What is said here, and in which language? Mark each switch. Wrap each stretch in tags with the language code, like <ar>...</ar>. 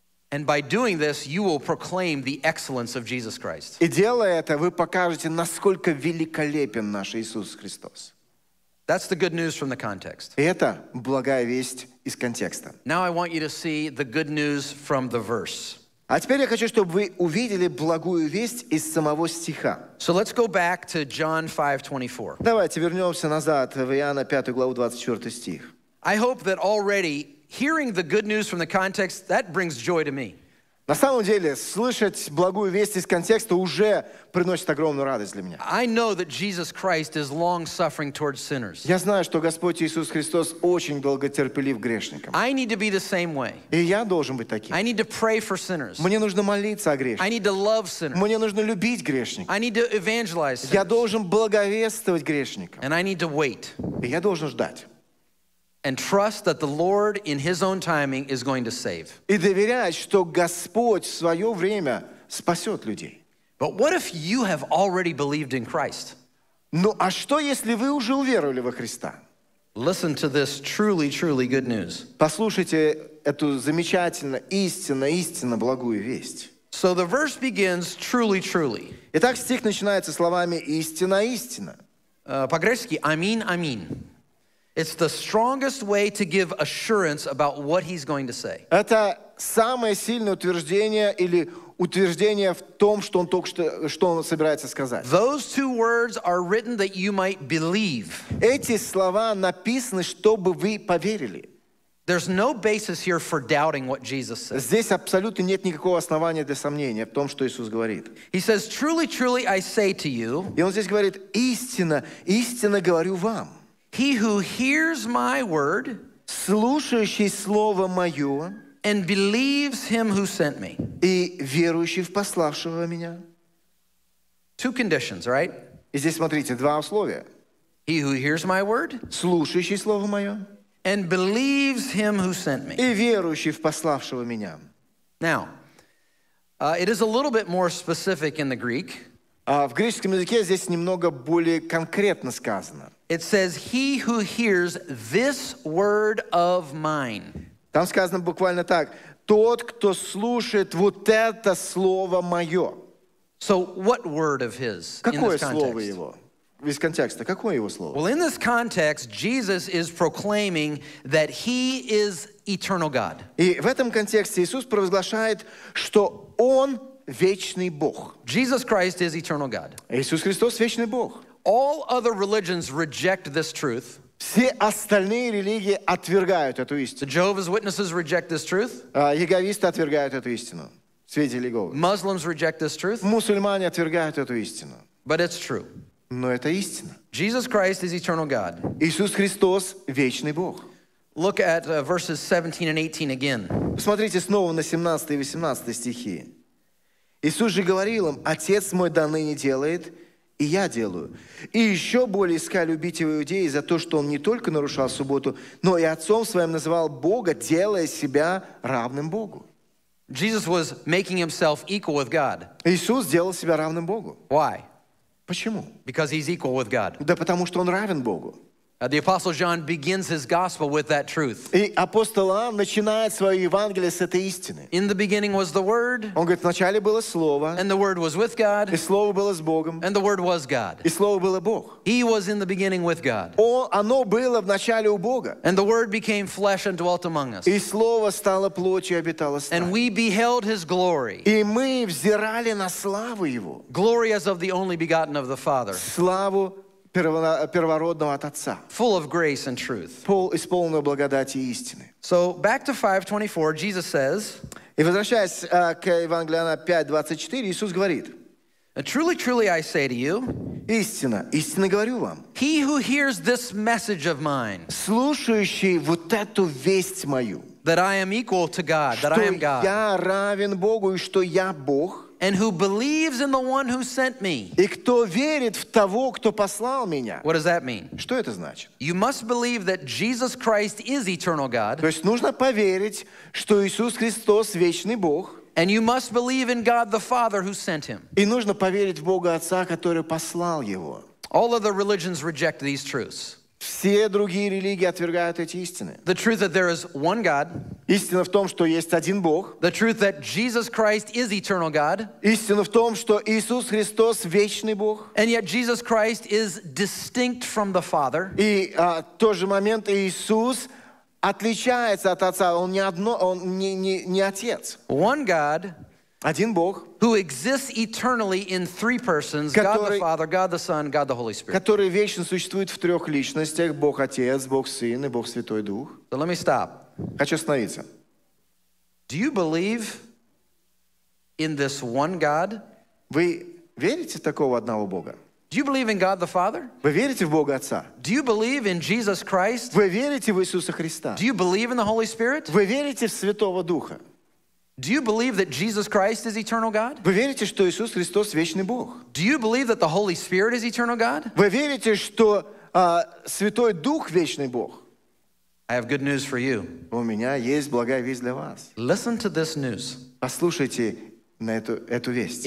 <en>And by doing this, you will proclaim the excellence of Jesus Christ.</en> <ru>И делая это, вы покажете, насколько великолепен наш Иисус Христос.</ru> <en>That's the good news from the context.</en> <ru>Это благая весть из контекста.</ru> <en>Now I want you to see the good news from the verse.</en> <ru>А теперь я хочу, чтобы вы увидели благую весть из самого стиха.</ru> <en>So let's go back to John 5:24.</en> <ru>Давайте вернемся назад в Иоанна 5 главу 24 стих.</ru> <en>I hope that already hearing the good news from the context, that brings joy to me.</en> <ru>На самом деле, слышать благую весть из контекста уже приносит огромную радость для меня.</ru> <en>I know that Jesus Christ is long-suffering towards sinners.</en> <ru>Я знаю, что Господь Иисус Христос очень долготерпелив грешникам.</ru> <en>I need to be the same way.</en> <ru>И я должен быть таким.</ru> <en>I need to pray for sinners.</en> <ru>Мне нужно молиться о грешниках.</ru> <en>I need to love sinners.</en> <ru>Мне нужно любить грешников.</ru> <en>I need to evangelize sinners.</en> <ru>Я должен благовествовать грешникам.</ru> <en>And I need to wait.</en> <ru>И я должен ждать.</ru> <en>And trust that the Lord, in His own timing, is going to save.</en> <ru>И доверять, что Господь в свое время спасет людей.</ru> <en>But what if you have already believed in Christ?</en> <ru>Ну, а что, если вы уже уверовали во Христа?</ru> <en>Listen to this truly, truly good news.</en> <ru>Послушайте эту замечательно, истинно, истинно благую весть.</ru> <en>So the verse begins truly, truly.</en> <ru>Итак, стих начинается словами истинно, истинно. По-гречески амин, амин.</ru> <en>It's the strongest way to give assurance about what he's going to say.</en> <ru>Это самое сильное утверждение или утверждение в том, что он только что, что он собирается сказать.</ru> <en>Those two words are written that you might believe.</en> <ru>Эти слова написаны, чтобы вы поверили.</ru> <en>There's no basis here for doubting what Jesus says.</en> <ru>Здесь абсолютно нет никакого основания для сомнения в том, что Иисус говорит.</ru> <en>He says, "Truly, truly, I say to you."</en> <ru>И он здесь говорит: "Истинно, истинно говорю вам."</ru> <en>He who hears my word,</en> <ru>слушающий слово мое,</ru> <en>and believes him who sent me,</en> <ru>и верующий в пославшего меня.</ru> <en>Two conditions, right?</en> <ru>И здесь смотрите два условия.</ru> <en>He who hears my word,</en> <ru>слушающий слово мое,</ru> <en>and believes him who sent me,</en> <ru>и верующий в пославшего меня.</ru> <en>Now, it is a little bit more specific in the Greek.</en> <ru>В греческом языке здесь немного более конкретно сказано.</ru> <en>It says, he who hears this word of mine.</en> <ru>Там сказано буквально так. Тот, кто слушает вот это слово мое.</ru> <en>So what word of his in this context?</en> <ru>Какое слово его? Из контекста. Какое его слово?</ru> <en>Well, in this context, Jesus is proclaiming that he is eternal God.</en> <ru>И в этом контексте Иисус провозглашает, что он вечный Бог.</ru> <en>Jesus Christ is eternal God.</en> <ru>Иисус Христос вечный Бог.</ru> <en>All other religions reject this truth.</en> <ru>Все остальные религии отвергают эту истину.</ru> <en>The Jehovah's Witnesses reject this truth.</en> <ru>Иеговисты отвергают эту истину. Свидетели Иеговы.</ru> <en>Muslims reject this truth.</en> <ru>Мусульмане отвергают эту истину.</ru> <en>But it's true.</en> <ru>Но это истина.</ru> <en>Jesus Christ is eternal God.</en> <ru>Иисус Христос вечный Бог.</ru> <en>Look at verses 17 and 18 again.</en> <ru>Посмотрите снова на 17 и 18 стихи. Иисус же говорил им: «Отец мой до ныне делает, и я делаю. И еще более искали убить его иудеи за то, что он не только нарушал субботу, но и отцом своим называл Бога, делая себя равным Богу».</ru> <en>Jesus was making himself equal with God.</en> <ru>Иисус делал себя равным Богу.</ru> <en>Why?</en> <ru>Почему?</ru> <en>Because he's equal with God.</en> <ru>Да потому что он равен Богу.</ru> <en>The apostle John begins his gospel with that truth.</en> <ru>И апостол Иоанн начинает свое Евангелие с этой истины.</ru> <en>In the beginning was the Word.</en> <ru>Он говорит, вначале было Слово.</ru> <en>And the Word was with God.</en> <ru>И Слово было с Богом.</ru> <en>And the Word was God.</en> <ru>И Слово было Бог.</ru> <en>He was in the beginning with God.</en> <ru>Оно было вначале у Бога.</ru> <en>And the Word became flesh and dwelt among us.</en> <ru>И Слово стало плотью и обитало с нами.</ru> <en>And we beheld His glory.</en> <ru>И мы взирали на славу Его.</ru> <en>Glory as of the only begotten of the Father.</en> <ru>Славу первородного от Отца.</ru> <en>Full of grace and truth.</en> <ru>Исполненного благодати и истины.</ru> <en>So back to 5:24, Jesus says.</en> <ru>И возвращаясь к Евангелию 5:24, Иисус говорит.</ru> <en>Truly, truly, I say to you.</en> <ru>Истинно, истинно говорю вам.</ru> <en>He who hears this message of mine.</en> <ru>Слушающий вот эту весть мою.</ru> <en>That I am equal to God. That I am God.</en> <ru>Что я равен Богу и что я Бог.</ru> <en>And who believes in the one who sent me.</en> <ru>И кто верит в того, кто послал меня.</ru> <en>What does that mean?</en> <ru>Что это значит?</ru> <en>You must believe that Jesus Christ is eternal God.</en> <ru>То есть нужно поверить, что Иисус Христос вечный Бог.</ru> <en>And you must believe in God the Father who sent him.</en> <ru>И нужно поверить в Бога Отца, который послал его.</ru> <en>All of the religions reject these truths.</en> <ru>Все другие религии отвергают эти истины.</ru> <en>The truth that there is one God.</en> <ru>Истина в том, что есть один Бог.</ru> <en>The truth that Jesus Christ is eternal God.</en> <ru>Истина в том, что Иисус Христос вечный Бог.</ru> <en>And yet Jesus Christ is distinct from the Father.</en> <ru>И тот же момент Иисус отличается от Отца. Он не одно, он не отец.</ru> <en>One God.</en> <ru>Один Бог.</ru> <en>Who exists eternally in three persons, God the Father, God the Son, God the Holy Spirit.</en> <ru>Который вечно существует в трех личностях, Бог Отец, Бог Сын и Бог Святой Дух.</ru> <en>So let me stop.</en> <ru>Хочу остановиться.</ru> <en>Do you believe in this one God?</en> <ru>Вы верите в такого одного Бога?</ru> <en>Do you believe in God the Father?</en> <ru>Вы верите в Бога Отца?</ru> <en>Do you believe in Jesus Christ?</en> <ru>Вы верите в Иисуса Христа?</ru> <en>Do you believe in the Holy Spirit?</en> <ru>Вы верите в Святого Духа?</ru> <en>Do you believe that Jesus Christ is eternal God?</en> <ru>Вы верите, что Иисус Христос вечный Бог?</ru> <en>Do you believe that the Holy Spirit is eternal God?</en> <ru>Вы верите, что Святой Дух вечный Бог?</ru> <en>I have good news for you.</en> <ru>У меня есть благая весть для вас.</ru> <en>Listen to this news.</en> <ru>Послушайте на эту весть.</ru>